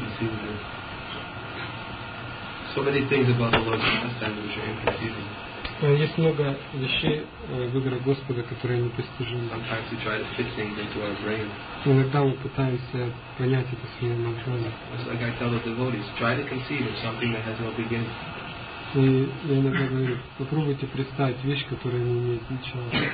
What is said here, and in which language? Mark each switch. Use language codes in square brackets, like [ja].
[en] So many things about the Lord's pastime which are inconceivable. [ru] Есть много вещей в играх Господа, которые непостижимы. [en] Sometimes we try to fit things into our brain. [ru] Иногда мы пытаемся понять это своим умом. [en] It's like I tell the devotees, try to conceive of something that has no beginning. [ru] И я иногда говорю, попробуйте представить вещь, которая не имеет начала.